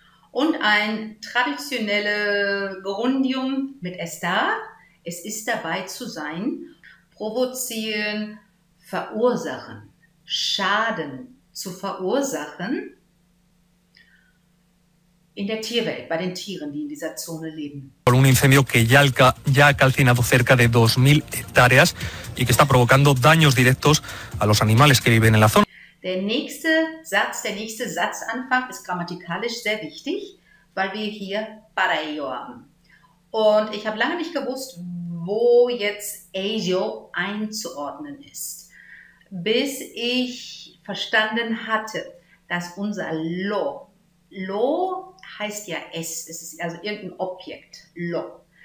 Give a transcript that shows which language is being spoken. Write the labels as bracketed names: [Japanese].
[German] Und ein traditionelles Grundium mit Estar. Es ist dabei zu sein. Provozieren, verursachen. Schaden zu verursachen. In der Tierwelt, bei den Tieren, die in dieser Zone leben. [Spanish] Por un incendio que ya ha calcinado cerca de 2000 hectáreas y que está provocando daños directos a los animales que viven en la zona. [German] Der nächste Satzanfang ist grammatikalisch sehr wichtig, weil wir hier para ello haben. Und ich habe lange nicht gewusst, wo jetzt ello einzuordnen ist, bis ich verstanden hatte, dass unser lo heißt ja es, es ist also irgendein Objekt, lo.